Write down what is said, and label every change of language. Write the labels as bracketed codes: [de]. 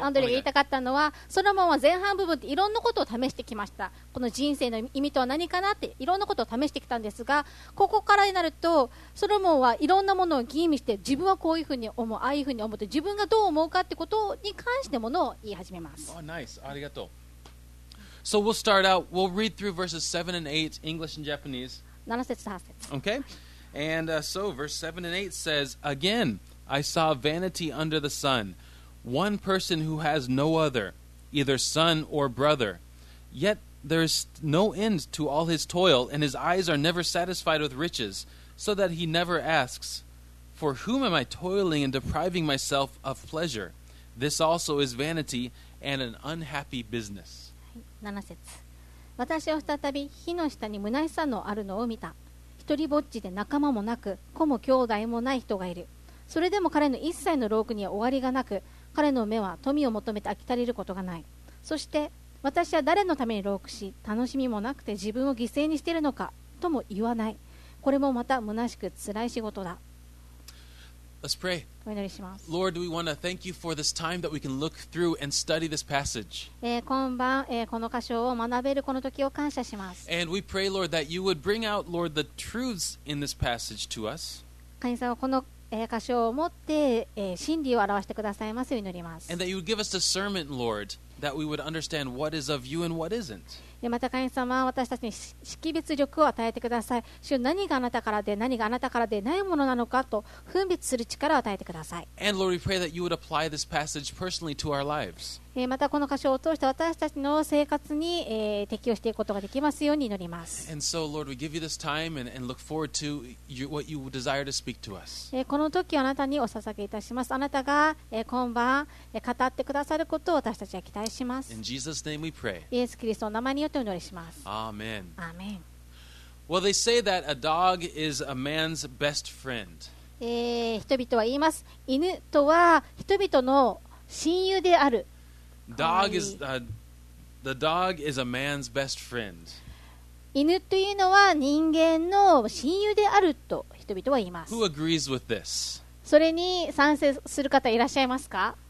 [ja] アンドレが言いたかったのは、ソロモンは前半部分でいろんなことを試してきました。この人生の意味とは何かなっていろんなことを試してきたんですが、ここからになるとソロモンはいろんなものを吟味して、自分はこういうふうに思う、ああいうふうに思って、自分がどう思うかってことに関してものを言い始めます。 [en] Oh, nice. [ja] ありがとう。 [en] So we'll start out. We'll read through verses 7 and 8, English and Japanese. [ja] 7節と8節。 [en] Okay. And so verse 7 and 8 says, Again, I saw vanity under the sun, one person who has no other, either son or brother. Yet there is no end to all his toil, and his eyes are never satisfied with riches, so that he never asks, For whom am I toiling and depriving myself of pleasure? This also is vanity and an unhappy business. [ja] 7節。私は再び火の下に虚しさのあるのを見た。一人ぼっちで仲間もなく、子も兄弟もない人がいる。それでも彼の一切の労苦には終わりがなく、彼の目は富を求めて飽き足りることがない。そして、私は誰のために労苦し、楽しみもなくて自分を犠牲にしているのかとも言わない。これもまた虚しく辛い仕事だ。 [en] Let's pray. [ja] お祈りします。 [en] Lord, we want to thank you for this time that we can look through and study this passage. [ja] 今晩、この箇所を学べるこの時を感謝します。 [en] And we pray, Lord, that you would bring out, Lord, the truths in this passage to us. [ja] 神様、この、箇所を持って、真理を表してくださいますように祈ります。 [en] And that you would give us discernment, Lord, that we would understand what is of you and what isn't. [ja] また神様、私たちに識別力を与えてください。主、何があなたからで、何があなたからでないものなのかと分別する力を与えてください。 [en] And Lord, we pray that you would apply this passage personally to our lives. [ja] またこの箇所を通して私たちの生活に、適用していくことができますように祈ります。 [en] And so, Lord, we give you this time and look forward to what you desire to speak to us. [ja] この時あなたにお捧げいたします。あなたが、今晩、語ってくださることを私たちは期待します。 [en] In Jesus' name we pray. [ja] イエス・キリストの名前に。 [en] Amen. Amen. Well, they say that a dog is a man's best friend. [ja] 人々は言います。犬とは人々の親友である。 [en] dog is, the dog is a man's best friend. [ja] 犬というのは人間の親友であると人々は言います。 [en] Who agrees with this? [ja] それに賛成する方いらっしゃいますか？